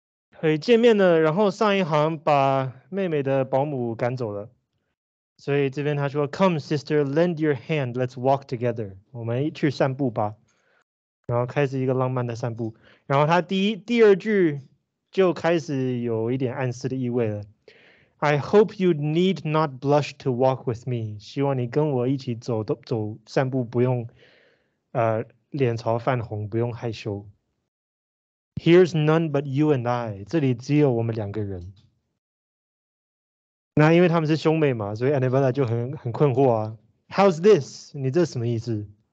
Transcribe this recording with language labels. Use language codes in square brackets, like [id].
[zh] 可以见面了，然后上一行把妹妹的保姆赶走了，所以这边他说 ， [en] Come sister, lend your hand, let's walk together， [zh] 我们去散步吧。然后开始一个浪漫的散步，然后他第二句就开始有一点暗示的意味了。 [en] I hope you need not blush to walk with me. [zh] 希望你跟我一起走都走散步不用脸朝泛红不用害羞。 [en] Here's none but you and I. [zh] 这里只有我们两个人。那因为他们是兄妹嘛，所以 Annabella 就很困惑啊。 [en] How's this? [zh] 你这什么意思？